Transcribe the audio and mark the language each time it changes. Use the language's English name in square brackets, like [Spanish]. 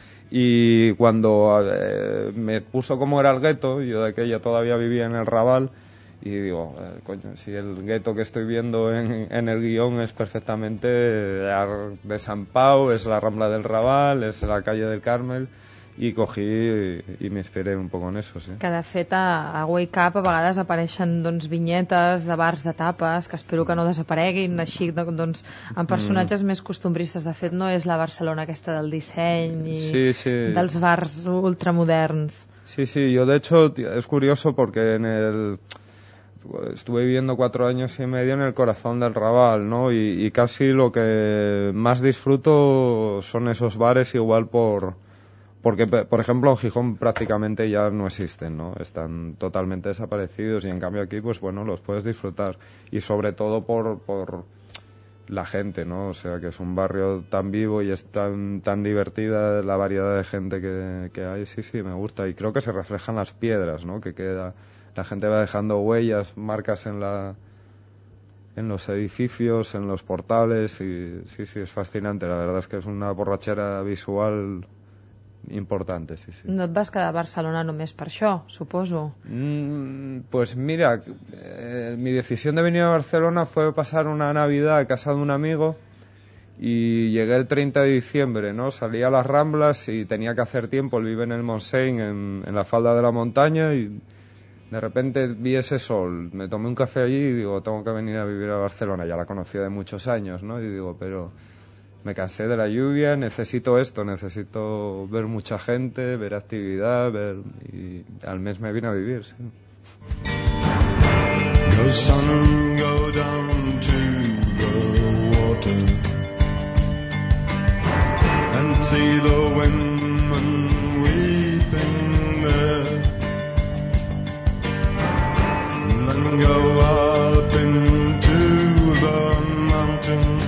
[Spanish] Y cuando me puso como era el gueto, yo de aquella todavía vivía en el Raval, y digo, coño, si el gueto que estoy viendo en el guión es perfectamente de San Pau, es la Rambla del Raval, es la calle del Carmel, y cogí y me inspiré un poco en eso, sí. [Catalan] Que de fet a Wake Up a vegades apareixen doncs vinyetes de bars de tapes, que espero que no desapareguin, així doncs amb personatges més costumbristes. De fet no és la Barcelona aquesta del disseny i sí, sí, dels bars ultramoderns. [Spanish] Sí, sí, yo de hecho es curioso porque en el estuve viviendo 4 años y medio en el corazón del Raval, ¿no? Y casi lo que más disfruto son esos bares, igual porque, por ejemplo, en Gijón prácticamente ya no existen, ¿no? Están totalmente desaparecidos y, en cambio, aquí, pues bueno, los puedes disfrutar. Y sobre todo por la gente, ¿no? O sea, que es un barrio tan vivo y es tan, tan divertida la variedad de gente que hay. Sí, sí, me gusta. Y creo que se reflejan las piedras, ¿no? Que queda, la gente va dejando huellas, marcas en los edificios, en los portales. Y sí, sí, es fascinante. La verdad es que es una borrachera visual importante, sí, sí. [Catalan] No et vas quedar a Barcelona només per això, suposo. [Spanish] Pues mira, mi decisión de venir a Barcelona fue pasar una Navidad a casa de un amigo y llegué el 30 de diciembre, ¿no? Salí a las Ramblas y tenía que hacer tiempo, él vive en el Montseny, en la falda de la montaña, y de repente vi ese sol, me tomé un café allí y digo, tengo que venir a vivir a Barcelona, ya la conocía de muchos años, ¿no? Y digo, pero me cansé de la lluvia, necesito esto, necesito ver mucha gente, ver actividad, ver, y al mes me vine a vivir, sí. [English] Go sun, go down to the water, and see the women weeping there, and then go up into the mountain.